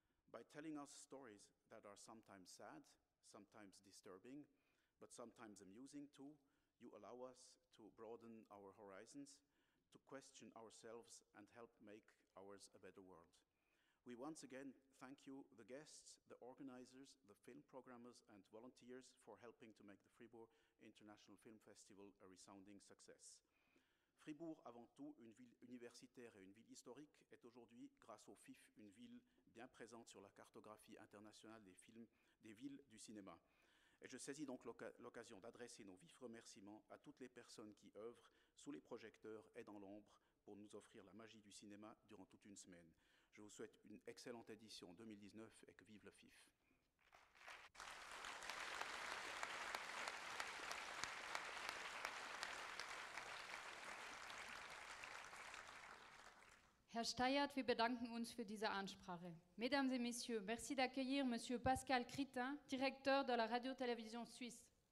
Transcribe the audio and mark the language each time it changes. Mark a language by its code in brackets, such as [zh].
[en] By telling us stories that are sometimes sad, sometimes disturbing, but sometimes amusing too, you allow us to broaden our horizons, to question ourselves, and help make ours a better world. We once again thank you, the guests, the organizers, the film programmers, and volunteers for helping to make the Fribourg International Film Festival a resounding success. [fr] Fribourg, avant tout une ville universitaire et une ville historique, est aujourd'hui, grâce au FIF, une ville bien présente sur la cartographie internationale des films, des villes du cinéma. Et je saisis donc l'occasion d'adresser nos vifs remerciements à toutes les personnes qui œuvrent sous les projecteurs et dans l'ombre pour nous offrir la magie du cinéma durant toute une semaine. Je vous souhaite une excellente édition 2019 et que vive le FIF. [de] Herr Steyert, wir bedanken uns für diese Ansprache. [fr] Mesdames et Messieurs, merci d'accueillir Monsieur Pascal Critin, directeur de la Radio-Télévision Suisse.